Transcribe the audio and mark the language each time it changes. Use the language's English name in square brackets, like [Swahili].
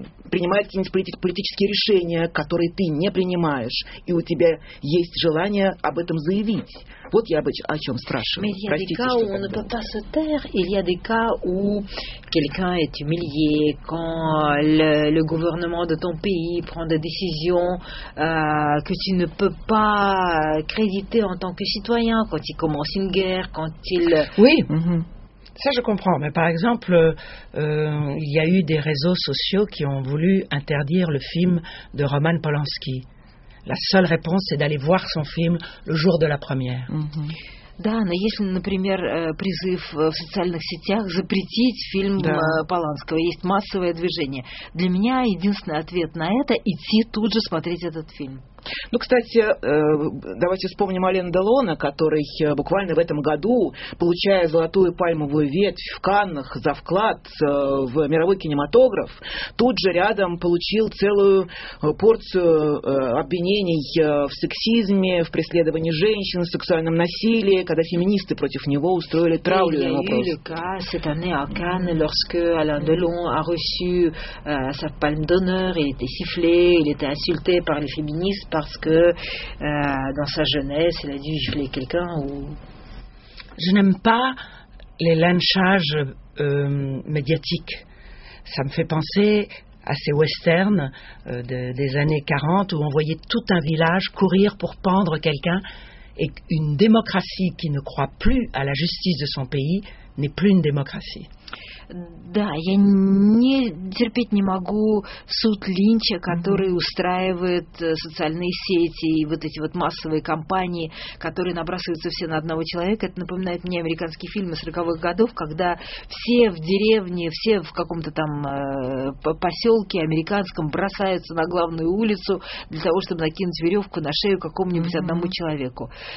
[Russian] принимает какие-нибудь политические решения, которые ты не принимаешь, и у тебя есть желание об этом заявить. Вот я о чем спрашиваю. [French] Mais il y a des cas où on ne peut pas se taire, il y a des cas où quelqu'un est humilié, quand le gouvernement de ton pays prend des décisions que tu ne peux pas créditer en tant que citoyen, quand il commence une guerre, quand il... Oui, ça je comprends, mais par exemple, il y a eu des réseaux sociaux qui ont voulu interdire le film de Roman Polanski. La seule réponse, c'est d'aller voir son film le jour de la première. [Russian] Да, но если, например, призыв в социальных сетях запретить фильм Поланского, есть массовое движение. Для меня единственный ответ на это – идти тут же смотреть этот фильм. Ну, кстати, давайте вспомним Ален Делона, который буквально в этом году, получая золотую пальмовую ветвь в Каннах за вклад в мировой кинематограф, тут же рядом получил целую порцию обвинений в сексизме, в преследовании женщин, в сексуальном насилии, когда феминисты против него устроили траулер на вопрос. [French] Le cas cette année à Cannes lorsque Alain Delon a reçu sa palme d'honneur, il était sifflé, il était insulté par les féministes parce que dans sa jeunesse, il a dû gifler quelqu'un ou... Je n'aime pas les lynchages médiatiques. Ça me fait penser à ces westerns des années 40 où on voyait tout un village courir pour pendre quelqu'un. Et une démocratie qui ne croit plus à la justice de son pays n'est plus une démocratie. [Russian] Да, я не терпеть не могу суд Линча, который устраивает социальные сети и вот эти вот массовые кампании, которые набрасываются все на одного человека. Это напоминает мне американские фильмы 40-х годов, когда все в деревне, все в каком-то там поселке американском бросаются на главную улицу для того, чтобы накинуть веревку на шею какому-нибудь одному человеку.